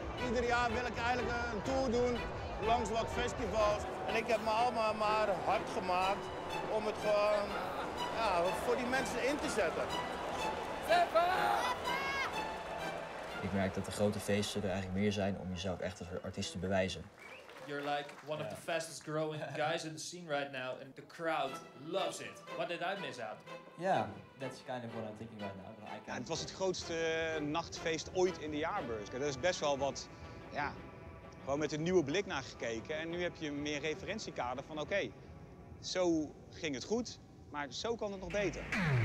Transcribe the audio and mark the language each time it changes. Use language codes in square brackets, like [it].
[nl] Ieder jaar wil ik eigenlijk een tour doen langs wat festivals. En ik heb me allemaal maar hard gemaakt om het gewoon, ja, voor die mensen in te zetten. Ik merk dat de grote feesten er eigenlijk meer zijn om jezelf echt als artiest te bewijzen. [en] You're like one of the fastest growing guys in the scene right now, and the crowd loves it. What did I miss out? Yeah, that's kind of what I'm thinking right now. [nl] Ja, het was het grootste nachtfeest ooit in de jaarbeurs. Dat is best wel wat, ja, gewoon met een nieuwe blik naar gekeken. En nu heb je meer referentiekader van, oké, zo ging het goed, maar zo kan het nog beter. Mm.